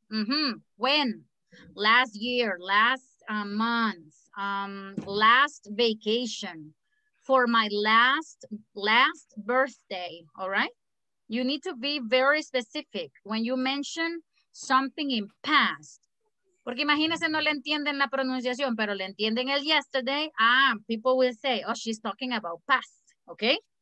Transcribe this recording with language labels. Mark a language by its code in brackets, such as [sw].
[en] Mm-hmm. When? Last year, last month, last vacation. For my last birthday, all right? You need to be very specific when you mention something in past. [es] Porque imagínense, no le entienden la pronunciación, pero le entienden el yesterday. [en] Ah, people will say, oh, she's talking about past, okay?